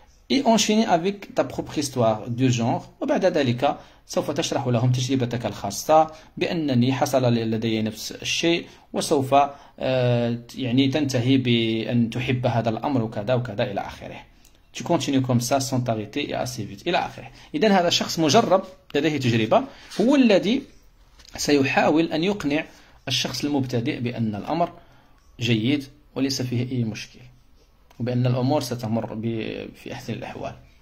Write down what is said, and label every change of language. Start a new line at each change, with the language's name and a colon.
French: Et enchaîner avec ta propre histoire du genre.
Arabic: وبعد ذلك سوف تشرح لهم تجربتك الخاصة بأنني حصل لدي نفس الشيء وسوف يعني تنتهي بأن تحب هذا الأمر وكذا وكذا إلى آخره.
French: Tu continues comme ça sans t'arrêter et assez vite.
Arabic: إلى آخره. إذن هذا شخص مجرب لديه تجربة هو الذي سيحاول أن يقنع الشخص المبتدئ بأن الأمر جيد وليس فيه أي مشكل وبأن الأمور ستمر في أحسن الأحوال.